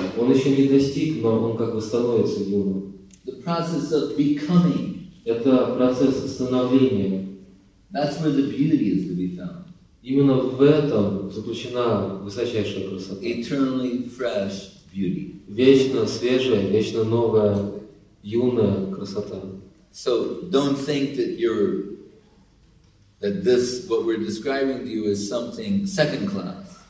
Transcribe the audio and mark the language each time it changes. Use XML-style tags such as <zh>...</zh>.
<ru>Он еще не достиг, но он как бы становится юным.</ru> <en>The process of becoming.</en> <ru>Это процесс становления.</ru> <en>That's where the beauty is to be found.</en> <ru>Именно в этом заключена высочайшая красота.</ru> <en>Eternally fresh beauty.</en> <ru>Вечно свежая, вечно новая, юная красота.</ru> <en>So don't think that this what we're describing to you is something second class.</en>